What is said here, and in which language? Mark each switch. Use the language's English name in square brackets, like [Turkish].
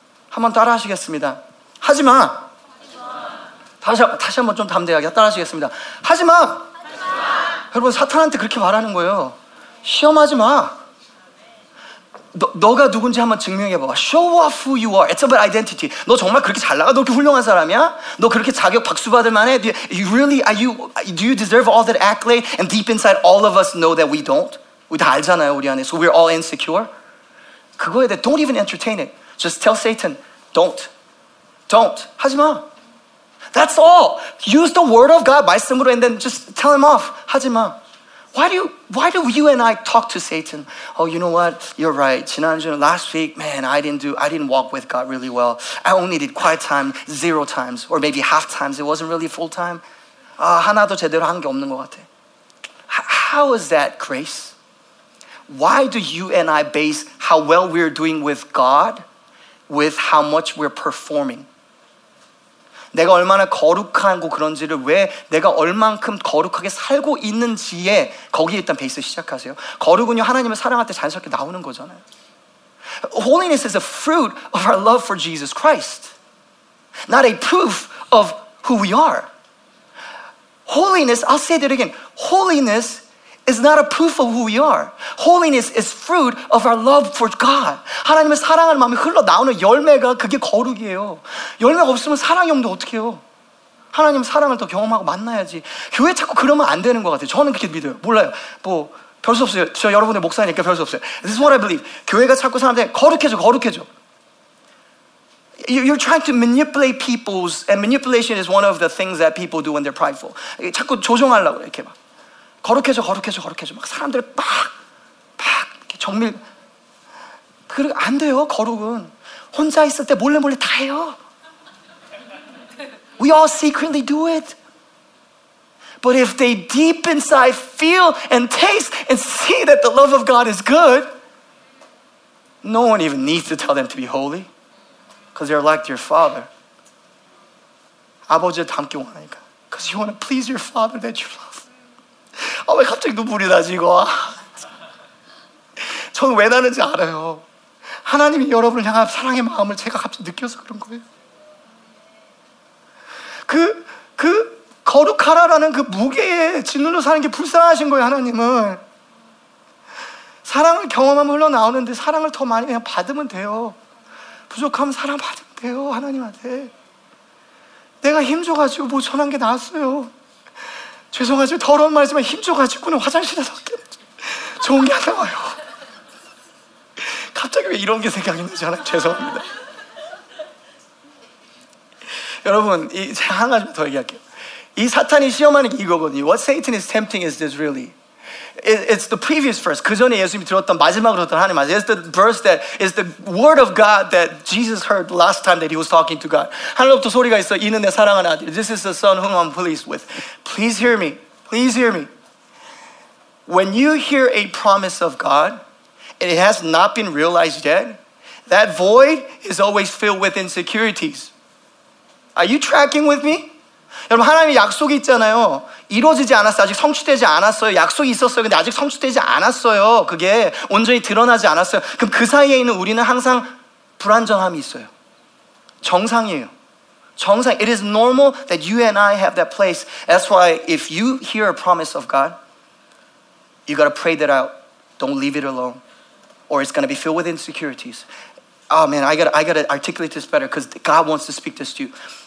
[Korean] 한번 따라 하시겠습니다. 하지마! 다시 한번 좀 담대하게 따라 하시겠습니다. 하지마! 여러분 사탄한테 그렇게 말하는 거예요. 시험하지 마! 너가 누군지 한번 증명해봐. [English] Show off who you are. It's about identity. [Korean] 너 정말 그렇게 잘 나가? 너 그렇게 훌륭한 사람이야? 너 그렇게 자격 박수 받을 만해? [English] Do you deserve all that accolade? And deep inside, all of us know that we don't. [Korean] 우리 다 알잖아요, 우리 안에. [English] So we're all insecure. [Korean] 그거에 대해 [English] don't even entertain it. Just tell Satan, don't. Don't. [Korean] 하지 마. [English] That's all. Use the word of God, [Korean] 말씀으로, [English] and then just tell him off. [Korean] 하지 마. [English] Why do you and I talk to Satan? Oh, you know what? You're right. [Korean] 지난주에, [English] last week, man, I didn't walk with God really well. I only did quiet time, zero times, or maybe half times. It wasn't really full time. [Korean] 하나도 제대로 한 게 없는 것 같아. [English] How is that grace? Why do you and I base how well we're doing with God with how much we're performing? [Korean] 내가 얼마나 거룩하고 그런지를 왜 내가 얼만큼 거룩하게 살고 있는지에 거기에 일단 베이스 시작하세요. 거룩은요 하나님을 사랑할 때 자연스럽게 나오는 거잖아요. [English] Holiness is a fruit of our love for Jesus Christ. Not a proof of who we are. Holiness, I'll say that again. Holiness is not a proof of who we are. Holiness is fruit of our love for God. [Korean] 하나님을 사랑하는 마음이 흘러나오는 열매가 그게 거룩이에요. 열매가 없으면 사랑이 없는데 어떡해요? 하나님 사랑을 더 경험하고 만나야지. 교회 자꾸 그러면 안 되는 것 같아요. 저는 그렇게 믿어요. 몰라요. 뭐 별 수 없어요. 저 여러분들 목사니까 별 수 없어요. [English] This is what I believe. [Korean] 교회가 자꾸 사람들 거룩해져, 거룩해져. [English] You're trying to manipulate people's, and manipulation is one of the things that people do when they're prideful. [Korean] 자꾸 조종하려고 이렇게 막. 거룩해져, 거룩해져, 거룩해져. 막 사람들 이렇게 정밀. 안 돼요, 거룩은. 혼자 있을 때 몰래 다 해요. [English] We all secretly do it. But if they deep inside feel and taste and see that the love of God is good, no one even needs to tell them to be holy. Because they're like your father. [Korean] 아버지를 닮기 원하니까. [English] Because you want to please your father that you love. [Korean] 아, 왜 갑자기 눈물이 나지, 이거? 저는 왜 나는지 알아요. 하나님이 여러분을 향한 사랑의 마음을 제가 갑자기 느껴서 그런 거예요. 그 거룩하라라는 그 무게에 짓눌러 사는 게 불쌍하신 거예요, 하나님은. 사랑을 경험하면 흘러나오는데 사랑을 더 많이 그냥 받으면 돼요. 부족하면 사랑 받으면 돼요, 하나님한테. 내가 힘줘가지고 모셔난 게 나았어요. 죄송하지만 더러운 말이지만 힘줘가지고는 화장실에서 좋은 게 안 나와요. 갑자기 왜 이런 게 생각했는지 하나 죄송합니다. 여러분, 제가 한 가지 더 얘기할게요. 이 사탄이 시험하는 게 이거거든요. [English] What Satan is tempting is this really. It's the previous verse. [Korean] 그 전에 예수님이 들었던 마지막으로 들었던 하나님 말씀. [English] It's the verse that is the word of God that Jesus heard last time that he was talking to God. [Korean] 하늘로부터 소리가 있어. 이는 내 사랑하는 아들. [English] This is the son whom I'm pleased with. Please hear me. Please hear me. When you hear a promise of God and it has not been realized yet, that void is always filled with insecurities. Are you tracking with me? [Korean] 여러분 하나님의 약속이 있잖아요. 이루어지지 않았어요. 아직 성취되지 않았어요. 약속이 있었어요. 근데 아직 성취되지 않았어요. 그게 온전히 드러나지 않았어요. 그럼 그 사이에 있는 우리는 항상 불안정함이 있어요. 정상이에요. 정상. [English] It is normal that you and I have that place. That's why if you hear a promise of God, you got to pray that out. Don't leave it alone. Or it's going to be filled with insecurities. oh man, I gotta articulate this better because God wants to speak this to you.